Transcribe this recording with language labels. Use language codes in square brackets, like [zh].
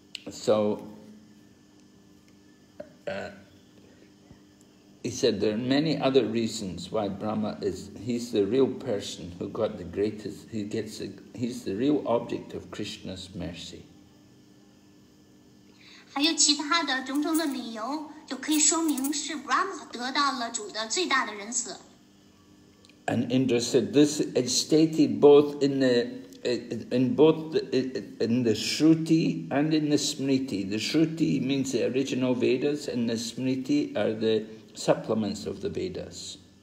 [en] So, he said there are many other reasons why Brahma is, he's the real person who got the greatest, he's the real object of Krishna's mercy. [zh] 还有其他的种种的理由，就可以说明是 Brahma 得到了主的最大的仁慈。 [en] And Indra said, "This is stated both in the Shruti and in the Smriti. The Shruti means the original Vedas, and the Smriti are the supplements of the Vedas."